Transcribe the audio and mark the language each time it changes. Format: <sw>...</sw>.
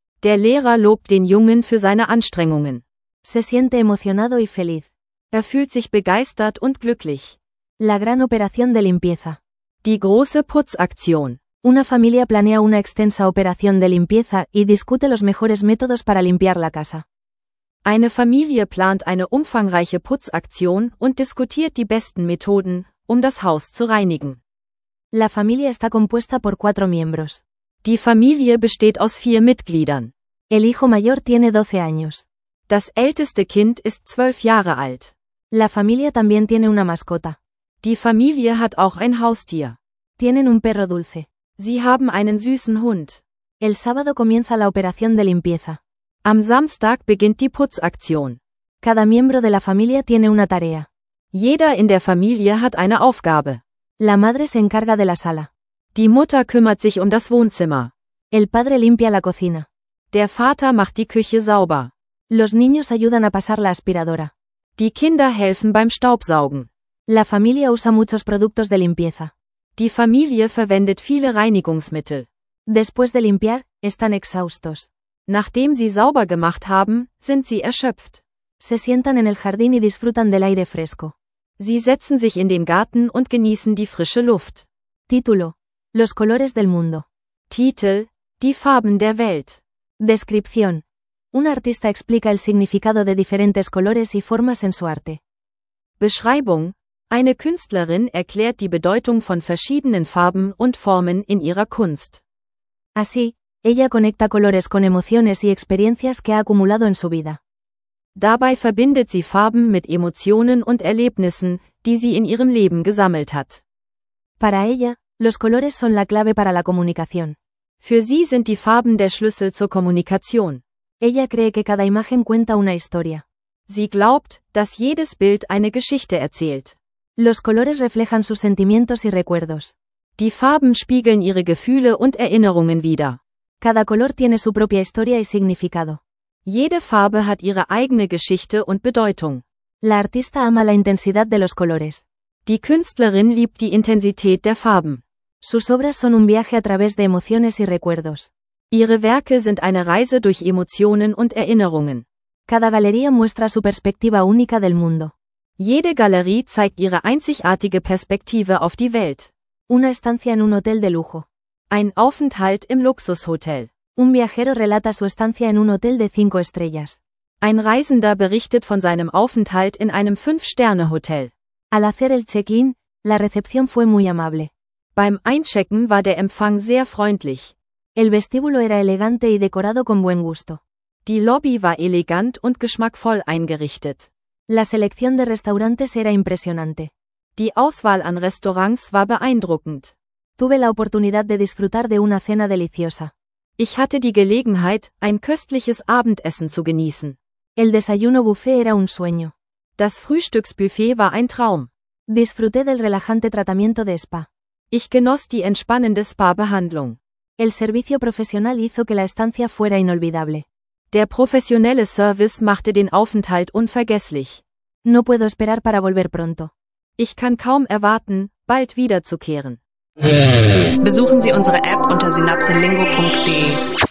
<de>Der Lehrer lobt den Jungen für seine Anstrengungen.</de> <es>Se siente emocionado y feliz.</es> <de>Er fühlt sich begeistert und glücklich.</de> <es>La gran operación de limpieza.</es> <de>Die große Putzaktion.</de> <es>Una familia planea una extensa operación de limpieza y discute los mejores métodos para limpiar la casa.</es> <de>Eine Familie plant eine umfangreiche Putzaktion und diskutiert die besten Methoden, um das Haus zu reinigen.</de> <es>La familia está compuesta por 4 miembros.</es> <de>Die Familie besteht aus 4 Mitgliedern.</de> <es>El hijo mayor tiene 12 años.</es> <de>Das älteste Kind ist 12 Jahre alt.</de> <es>La familia también tiene una mascota.</es> <de>Die Familie hat auch ein Haustier.</de> <es>Tienen un perro dulce.</es> <de>Sie haben einen süßen Hund.</de> <es>El sábado comienza la operación de limpieza.</es> <de>Am Samstag beginnt die Putzaktion.</de> <es>Cada miembro de la familia tiene una tarea.</es> <de>Jeder in der Familie hat eine Aufgabe.</de> <es>La madre se encarga de la sala.</es> <de>Die Mutter kümmert sich um das Wohnzimmer.</de> <es>El padre limpia la cocina.</es> <de>Der Vater macht die Küche sauber.</de> <es>Los niños ayudan a pasar la aspiradora.</es> <de>Die Kinder helfen beim Staubsaugen.</de> <es>La familia usa muchos productos de limpieza.</es> <de>Die Familie verwendet viele Reinigungsmittel.</de> <es>Después de limpiar, están exhaustos.</es> <de>Nachdem sie sauber gemacht haben, sind sie erschöpft.</de> <es>Se sientan en el jardín y disfrutan del aire fresco.</es> <de>Sie setzen sich in den Garten und genießen die frische Luft.</de> <es>Título: Los colores del mundo.</es> <de>Titel: Die Farben der Welt.</de> <es>Descripción: Un artista explica el significado de diferentes colores y formas en su arte.</es> <de>Beschreibung: Eine Künstlerin erklärt die Bedeutung von verschiedenen Farben und Formen in ihrer Kunst.</de> <es>Así, ella conecta colores con emociones y experiencias que ha acumulado en su vida.</es> <de>Dabei verbindet sie Farben mit Emotionen und Erlebnissen, die sie in ihrem Leben gesammelt hat.</de> <es>Para ella, Los colores son la clave para la comunicación.</es> <de>Für sie sind die Farben der Schlüssel zur Kommunikation.</de> <es>Ella cree que cada imagen cuenta una historia.</es> <de>Sie glaubt, dass jedes Bild eine Geschichte erzählt.</de> <es>Los colores reflejan sus sentimientos y recuerdos.</es> <de>Die Farben spiegeln ihre Gefühle und Erinnerungen wider.</de> <es>Cada color tiene su propia historia y significado.</es> <de>Jede Farbe hat ihre eigene Geschichte und Bedeutung.</de> <es>La artista ama la intensidad de los colores.</es> <de>Die Künstlerin liebt die Intensität der Farben.</de> <es>Sus obras son un viaje a través de emociones y recuerdos.</es> <de>Ihre Werke sind eine Reise durch Emotionen und Erinnerungen.</de> <es>Cada galería muestra su perspectiva única del mundo.</es> <de>Jede Galerie zeigt ihre einzigartige Perspektive auf die Welt.</de> <es>Una estancia en un hotel de lujo.</es> <de>Ein Aufenthalt im Luxushotel.</de> <es>Un viajero relata su estancia en un hotel de 5 estrellas.</es> <de>Ein Reisender berichtet von seinem Aufenthalt in einem 5-Sterne-Hotel.</de> <es>Al hacer el check-in, la recepción fue muy amable.</es> <de>Beim Einchecken war der Empfang sehr freundlich.</de> <es>El vestíbulo era elegante y decorado con buen gusto.</es> <de>Die Lobby war elegant und geschmackvoll eingerichtet.</de> <es>La selección de restaurantes era impresionante.</es> <de>Die Auswahl an Restaurants war beeindruckend.</de> <es>Tuve la oportunidad de disfrutar de una cena deliciosa.</es> <de>Ich hatte die Gelegenheit, ein köstliches Abendessen zu genießen.</de> <es>El desayuno buffet era un sueño.</es> <de>Das Frühstücksbuffet war ein Traum.</de> <es>Disfruté del relajante tratamiento de spa.</es> <de>Ich genoss die entspannende Spa-Behandlung.</de> <es>El servicio profesional hizo que la estancia fuera inolvidable.</es> <de>Der professionelle Service machte den Aufenthalt unvergesslich.</de> <es>No puedo esperar para volver pronto.</es> <de>Ich kann kaum erwarten, bald wiederzukehren. Besuchen Sie unsere App unter synapsenlingo.de.</de>